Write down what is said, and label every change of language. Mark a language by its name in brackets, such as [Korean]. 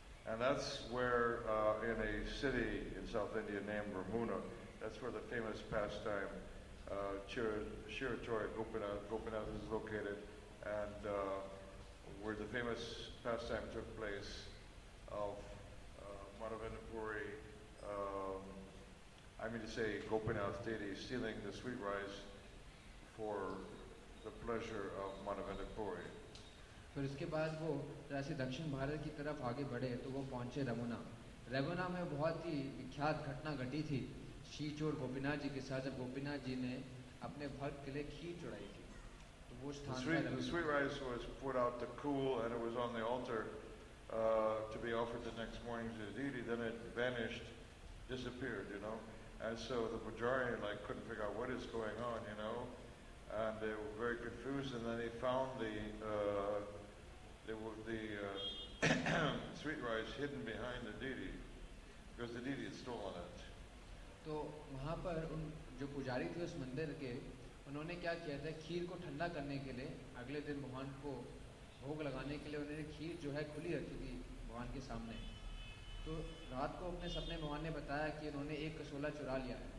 [English] And that's where, in a city in South India named Ramuna, that's where the famous pastime Shiratori Gopinath is located, and where the famous pastime took place of Madhavendra Puri, Gopinath Deity, stealing the sweet rice for the pleasure of Madhavendra Puri. [Hindi] फिर उसके बाद वो जैसे दक्षिण भारत की तरफ आगे बढ़े तो वो पहुंचे रमुना. रमुना में बहुत ही विख्यात घटना घटी थी श्री चोर गोपीनाथ जी के साथ, जब गोपीनाथ जी ने अपने भक्त के लिए खीर चढ़ाई थी. तो वो स्थान [English] The sweet rice was put out to cool, and it was on the altar to be offered the next morning to the deity. Then it vanished, disappeared, you know. And so the pujari like couldn't figure out what is going on, you know. And they were very confused, and then they found the sweet rice hidden behind the deity, because the deity had stolen it. [Hindi] तो वहाँ पर उन जो पुजारी थे उस मंदिर के, उन्होंने क्या किया था, खीर को ठंडा करने के लिए अगले दिन भगवान को भोग लगाने के लिए उन्होंने खीर जो है खुली रखी थी भगवान के सामने. तो रात को अपने सपने भगवान ने बताया कि उन्होंने एक कसोला चुरा लिया.